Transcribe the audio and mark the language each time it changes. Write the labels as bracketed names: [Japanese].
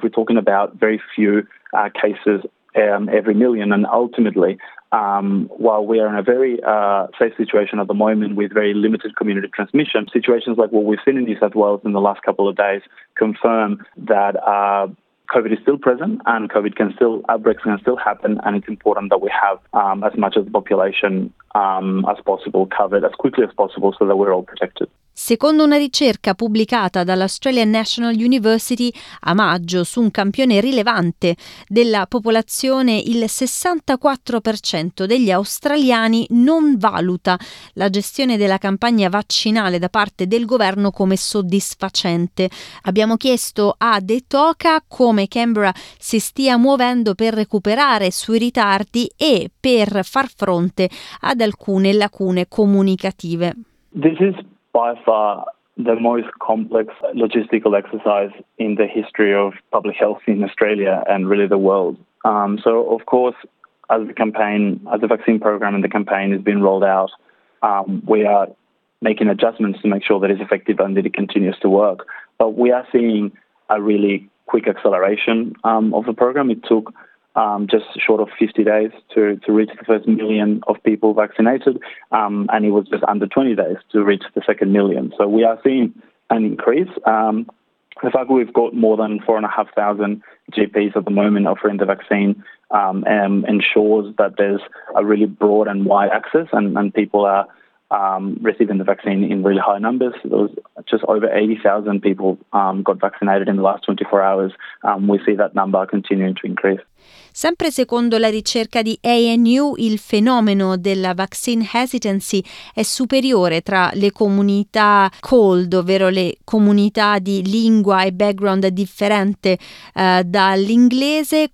[English] We're talking about very few cases every million, and ultimately, while we are in a very safe situation at the moment with very limited community transmission, situations like what we've seen in New South Wales in the last couple of days confirm that COVID is still present and COVID can still, outbreaks can still happen, and it's important that we have as much of the population as possible covered as quickly as possible so that we're all protected. [Italian] Secondo una ricerca pubblicata dall'Australian National University a maggio su un campione rilevante della popolazione, il 64% degli australiani non valuta la gestione della campagna vaccinale da parte del governo come soddisfacente. Abbiamo chiesto a De Toca come Canberra si stia muovendo per recuperare sui ritardi e per far fronte ad alcune lacune comunicative. [English] By far the most complex logistical exercise in the history of public health in Australia and really the world. So of course, as the vaccine program and the campaign has been rolled out, we are making adjustments to make sure that it's effective and that it continues to work. But we are seeing a really quick acceleration of the program. It took just short of 50 days to reach the first million of people vaccinated, and it was just under 20 days to reach the second million. So we are seeing an increase. The fact we've got more than 4,500 GPs at the moment offering the vaccine ensures that there's a really broad and wide access, and people are receiving the vaccine in really high numbers. So there was just over 80,000 people got vaccinated in the last 24 hours. We see that number continuing to increase. [Italian] Sempre secondo la ricerca di ANU, il fenomeno della vaccine hesitancy è superiore tra le comunità cold, ovvero le comunità di lingua e background differente dall'inglese.